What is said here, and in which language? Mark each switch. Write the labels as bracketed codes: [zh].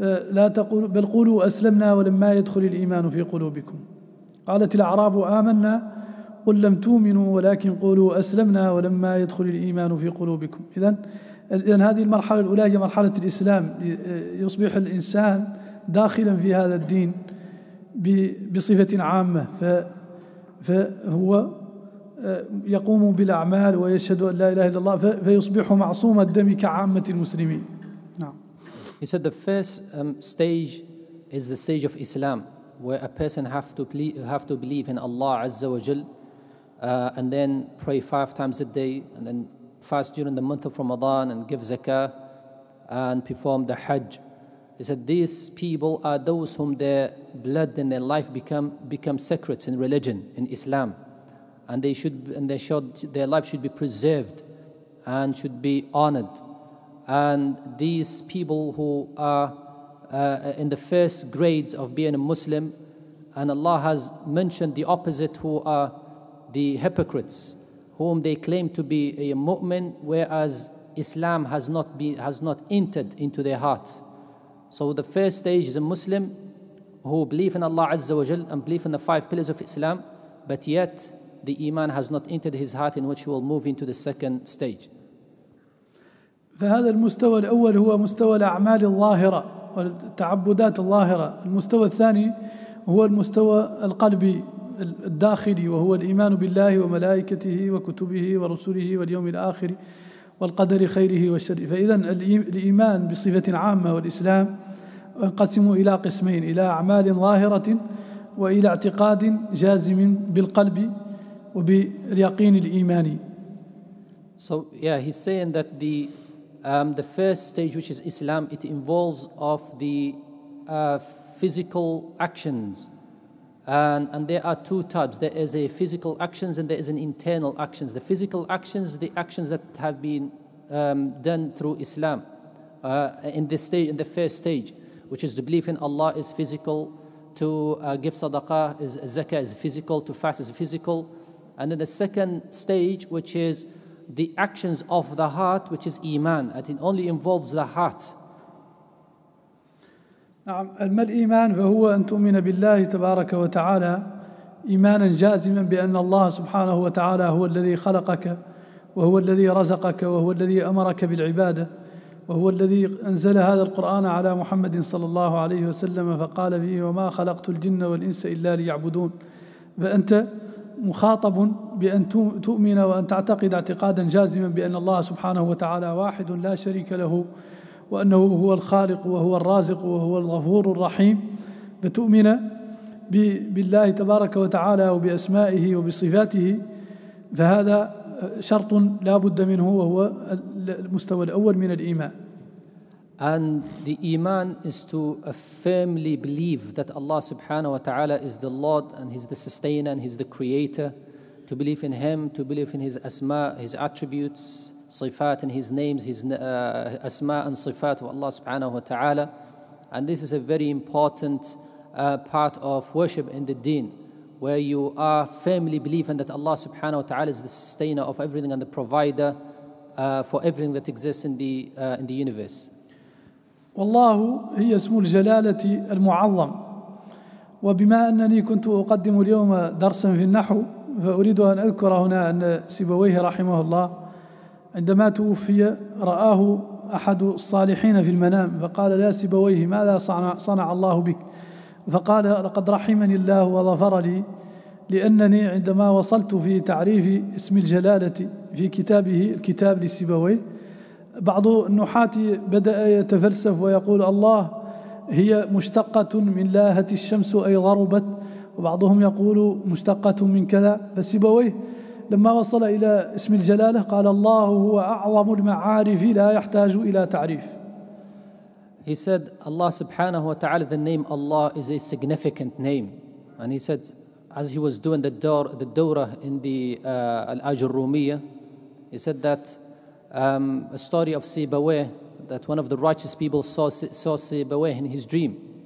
[ar] لا تقول بل قولوا أسلمنا ولما يدخل الإيمان في قلوبكم قالت الأعراب آمنا قل لم تؤمنوا ولكن قولوا أسلمنا ولما يدخل الإيمان في قلوبكم إذن هذه المرحلة الأولى هي مرحلة الإسلام يصبح الإنسان داخلا في هذا الدين بصفة عامة فهو يقوم بالأعمال ويشهد أن لا إله إلا الله فيصبح معصوم الدم كعامة المسلمين نعم. [en] He said the first stage is the stage of Islam where a person have to believe in Allah Azza wa Jal and then pray five times a day and then fast during the month of Ramadan and give zakah and perform the Hajj. He said these people are those whom their blood and their life become sacred in religion, in Islam. And their life should be preserved and should be honored. And these people who are in the first grades of being a Muslim, and Allah has mentioned the opposite who are the hypocrites, whom they claim to be a mu'min, whereas Islam has not entered into their hearts. So the first stage is a Muslim who believe in Allah Azza wa Jal and believe in the five pillars of Islam, but yet the iman has not entered his heart in which he will move into the second stage. [ar] فهذا المستوى الأول هو مستوى الأعمال الظاهرة والتعبدات الظاهرة. المستوى الثاني هو المستوى القلبي الداخلي وهو الإيمان بالله وملائكته وكتبه ورسله واليوم الآخر والقدر خيره وشره. فإذا الإيمان بصفة عامة والإسلام ينقسم إلى قسمين إلى أعمال ظاهرة وإلى اعتقاد جازم بالقلب وباليقين الإيماني. [en] So yeah, he's saying that the first stage, which is Islam, it involves of the physical actions. And there are two types. There is a physical actions and there is an internal actions. The physical actions, the actions that have been done through Islam in the first stage, which is the belief in Allah is physical, to give sadaqah is zakah is physical, to fast is physical. And then the second stage, which is the actions of the heart, which is iman, and it only involves the heart. [ar] نعم ما الإيمان فهو أن تؤمن بالله تبارك وتعالى إيمانا جازما بأن الله سبحانه وتعالى هو الذي خلقك وهو الذي رزقك وهو الذي أمرك بالعبادة وهو الذي أنزل هذا القرآن على محمد صلى الله عليه وسلم فقال فيه وما خلقت الجن والإنس إلا ليعبدون فأنت مخاطب بأن تؤمن وأن تعتقد اعتقادا جازما بأن الله سبحانه وتعالى واحد لا شريك له وأنه هو الخالق وهو الرازق وهو الغفور الرحيم فتؤمن بالله تبارك وتعالى وبأسمائه وبصفاته فهذا شرط لا بد منه وهو المستوى الأول من الإيمان. [en] And the iman is to firmly believe that Allah subhanahu wa ta'ala is the Lord and He's the sustainer and He's the creator. To believe in Him, to believe in His asma, His attributes, صفات and His names, His asma and صفات of Allah subhanahu wa ta'ala. And this is a very important part of worship in the deen, where you are firmly believing that Allah subhanahu wa ta'ala is the sustainer of everything and the provider for everything that exists in the universe. [ar] والله هي اسم الجلالة المعظم وبما أنني كنت أقدم اليوم درسا في النحو فأريد أن أذكر هنا أن سيبويه رحمه الله عندما توفي رآه أحد الصالحين في المنام فقال يا سيبويه ماذا صنع الله بك؟ فقال لقد رحمني الله وظفر لي لأنني عندما وصلت في تعريف اسم الجلالة في كتابه الكتاب لسيبويه بعض النحاة بدأ يتفلسف ويقول الله هي مشتقة من لاهت الشمس أي غربت، وبعضهم يقول مشتقة من كذا. فسيبويه لما وصل إلى اسم الجلالة قال الله هو أعظم المعارف لا يحتاج إلى تعريف. [en] He said Allah subhanahu wa ta'ala, the name Allah is a significant name. And he said as he was doing the dawrah in the Al-Ajurrumiyya, he said that a story of Sibawayh, that one of the righteous people saw Sibawayh in his dream.